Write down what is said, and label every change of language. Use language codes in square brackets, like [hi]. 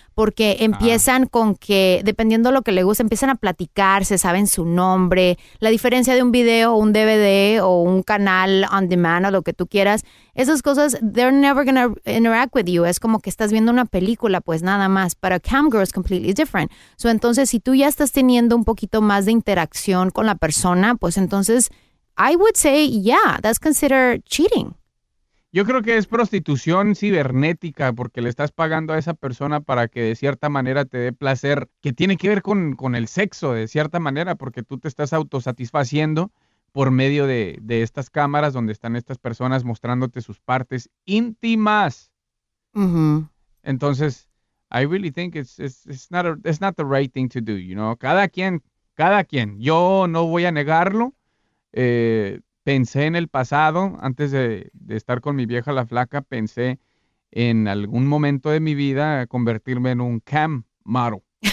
[es] Porque empiezan con que, dependiendo de lo que le guste, empiezan a platicar, se saben su nombre, la diferencia de un video, un DVD o un canal on demand o lo que tú quieras. Esas cosas, [en] they're never going to interact with you. [es] Es como que estás viendo una película, pues nada más. [en] But a cam girl is completely different. [es] So, entonces, si tú ya estás teniendo un poquito más de interacción con la persona, pues entonces, [en] I would say, yeah, that's considered cheating. [es] Yo creo que es prostitución cibernética porque le estás pagando a esa persona para que de cierta manera te dé placer, que tiene que ver con el sexo de cierta manera, porque tú te estás autosatisfaciendo por medio de estas cámaras donde están estas personas mostrándote sus partes íntimas. Mm-hmm. [en] Entonces, I really think it's not the right thing to do, you know. [es] Cada quien. Yo no voy a negarlo. Pensé en el pasado, antes de estar con mi vieja la flaca, pensé en algún momento de mi vida convertirme en un cam model.